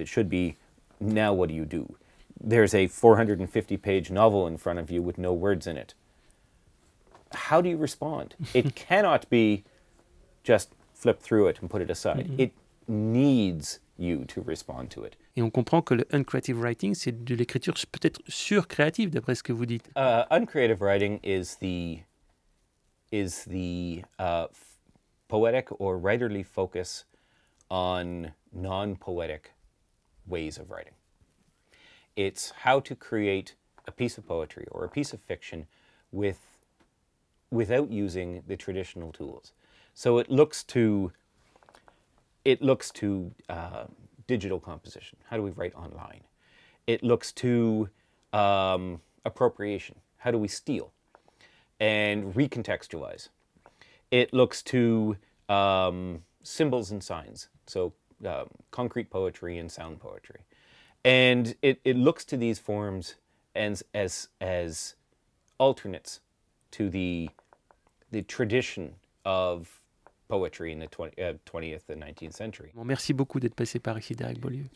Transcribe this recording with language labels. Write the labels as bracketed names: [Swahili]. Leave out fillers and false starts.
[English] It should be, now what do you do? There's a 450-page novel in front of you with no words in it. How do you respond? It cannot be just flip through it and put it aside. Mm-hmm. It needs you to respond to it. [French] Et on comprend que le uncreative writing, c'est de l'écriture peut-être surcréative, d'après ce que vous dites. [English] Uncreative writing is the poetic or writerly focus on non-poetic ways of writing. It's how to create a piece of poetry or a piece of fiction without using the traditional tools. So it looks to digital composition. How do we write online? It looks to appropriation. How do we steal and recontextualize? It looks to symbols and signs. So concrete poetry and sound poetry. And it looks to these forms as alternates to the tradition of poetry in the 20th and 19th century. [French] Bon, merci beaucoup d'être passé par ici, Derek Beaulieu.